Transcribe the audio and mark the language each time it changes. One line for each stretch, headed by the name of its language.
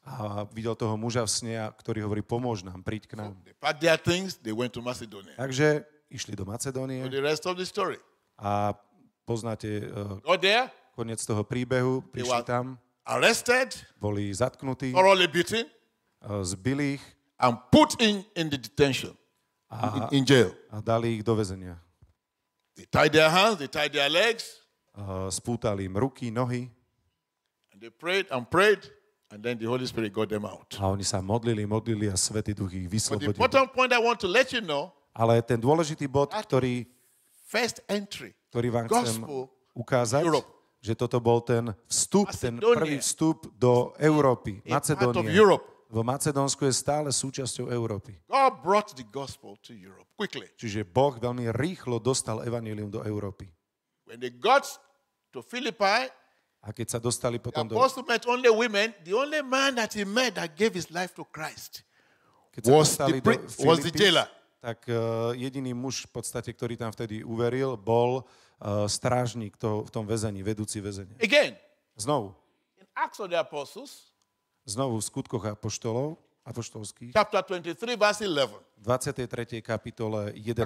Slovak: A videl toho muža v sne, ktorý hovorí, pomôž nám, príď k nám.
English: So they packed their things, they went to Macedonia.
Slovak: Takže išli do Macedónie.
English: The rest of the story.
Slovak: A poznáte
English: there,
Slovak: koniec toho príbehu, prišli tam,
English: arrested,
Slovak: boli zatknutí,
English: thoroughly beaten,
Slovak: zbili ich
English: and put in the detention, in jail.
Slovak: A dali ich do väzenia.
English: They tied their hands, they tied their legs.
Slovak: Spútali im ruky, nohy.
English: And they prayed and then the Holy Spirit got them out.
Slovak: A oni sa modlili a Svätý Duch ich vyslobodil.
English: But the important point I want to let you know,
Slovak: ale ten dôležitý bod, ktorý
English: first entry,
Slovak: ktorý vám chcem ukázať,
English: Europe,
Slovak: že toto bol ten vstup,
English: Macedonia,
Slovak: ten prvý vstup do Európy, Macedónia. Vo Macedónsku je stále súčasťou Európy.
English: God brought the gospel to Europe quickly.
Slovak: Čiže Boh veľmi rýchlo dostal evanjelium do Európy.
English: When they got to Philippi,
Slovak: a keď sa dostali potom
English: the apostle met only women, the only man that he met that gave his life to Christ was the jailer.
Slovak: tak jediný muž v podstate, ktorý tam vtedy uveril, bol strážnik to, v tom väzení, vedúci väzenia.
English: Again.
Slovak: Znovu.
English: In Acts of the Apostles.
Slovak: Znovu v skutkoch apoštolov, apoštolských.
English: Chapter 23, verse 11.
Slovak: 23. kapitole 11.